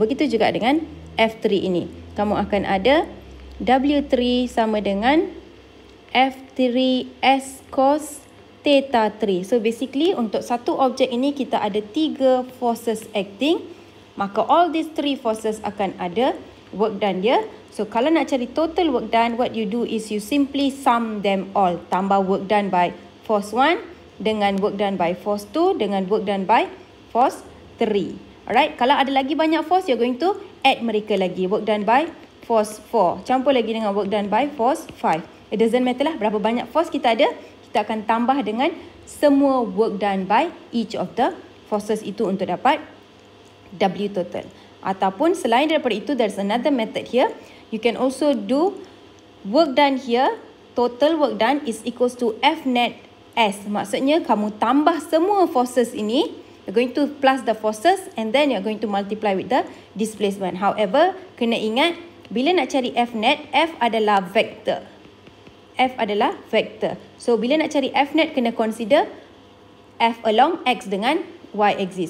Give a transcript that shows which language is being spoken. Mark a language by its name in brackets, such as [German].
[Malay] Begitu juga dengan F3 ini. Kamu akan ada W3 sama dengan F3S cos theta 3. [English] So basically [Malay] untuk satu objek ini kita ada tiga [English] forces acting. [Malay] Maka [English] all these three forces [Malay] akan ada [English] work done dia. So [Malay] kalau nak cari [English] total work done, what you do is you simply sum them all. [Malay] Tambah [English] work done by force 1 dengan work done by force 2 dengan work done by force 3. Alright, [Malay] kalau ada lagi banyak force, [English] you're going to add [Malay] mereka lagi. [English] Work done by force 4. [Malay] Campur lagi dengan [English] work done by force 5. It doesn't matter [Malay] lah berapa banyak force kita ada. Kita akan tambah dengan semua [English] work done by each of the forces [Malay] itu untuk dapat [English] W total. [Malay] Ataupun selain daripada itu, [English] there's another method here. You can also do work done here. Total work done is equals to F net S. [Malay] Maksudnya kamu tambah semua forces ini. [English] You're going to plus the forces and then you're going to multiply with the displacement. [Malay] However, kena ingat, bila nak cari F net, F adalah vector. F adalah vector. So, bila nak cari F net, kena [English] consider F along X [Malay] dengan Y axis.